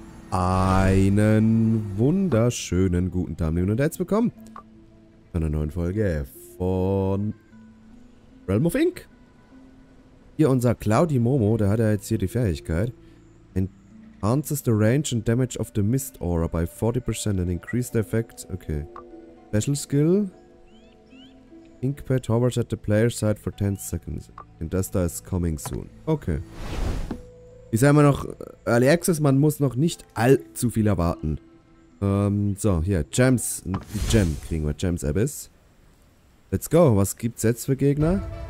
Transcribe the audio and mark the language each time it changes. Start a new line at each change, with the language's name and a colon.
German: Einen wunderschönen guten Tag, meine Damen und herzlich willkommen zu einer neuen Folge von Realm of Ink. Hier unser Cloudy Momo, der hat ja jetzt hier die Fähigkeit.
English: Enhances the range and damage of the Mist Aura by 40% and increased the effect. Okay. Special Skill. Ink Pad hovers at the player side for 10 seconds.
German: And das da ist
English: coming soon.
German: Okay. Ich sage immer noch, Early Access, man muss noch nicht allzu viel erwarten. So, hier, Gems. Gem kriegen wir, Gems Abyss.
English: Let's go,
German: was gibt's jetzt für Gegner?